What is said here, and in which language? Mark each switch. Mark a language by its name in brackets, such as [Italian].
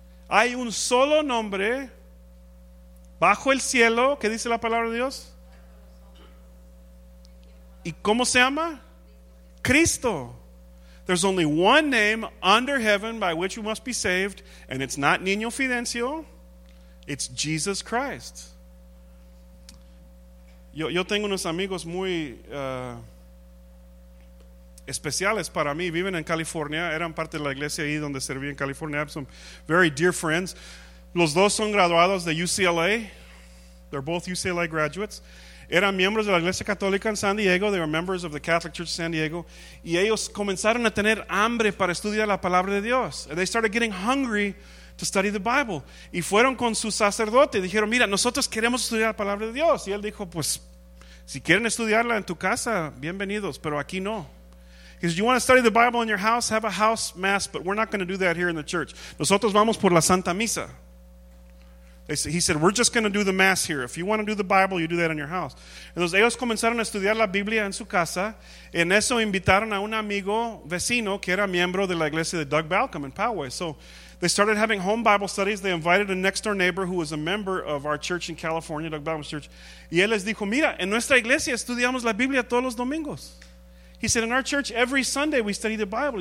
[Spanish] Hay un solo nombre bajo el cielo. ¿Qué dice la palabra de Dios? ¿Y cómo se llama? Cristo. [English] There's only one name under heaven by which we must be saved, and it's not Niño Fidencio. It's Jesus Christ. [Spanish] Yo tengo unos amigos muy especiales para mí. Viven en California. Eran parte de la iglesia ahí donde serví en California. [English] I have some very dear friends. [Spanish] Los dos son graduados de UCLA. [English] They're both UCLA graduates. [Spanish] Eran miembros de la Iglesia Católica en San Diego. [English] They were members of the Catholic Church of San Diego. [Spanish] Y ellos comenzaron a tener hambre para estudiar la palabra de Dios. [English] They started getting hungry to study the Bible. [Spanish] Y fueron con su sacerdote. Dijeron, mira, nosotros queremos estudiar la palabra de Dios. Y él dijo, pues, si quieren estudiarla en tu casa, bienvenidos, pero aquí no. [English] He said, you want to study the Bible in your house? Have a house mass, but we're not going to do that here in the church. [Spanish] Nosotros vamos por la Santa Misa. [English] He said, we're just going to do the mass here. If you want to do the Bible, you do that in your house. [Spanish] Entonces ellos comenzaron a estudiar la Biblia en su casa. En eso invitaron a un amigo vecino que era miembro de la iglesia de Doug Balcom in Poway. [English] So they started having home Bible studies. They invited a next door neighbor who was a member of our church in California, Doug Balcom's church. [Spanish] Y él les dijo, mira, en nuestra iglesia estudiamos la Biblia todos los domingos. [English] He said, in our church, every Sunday we study the Bible.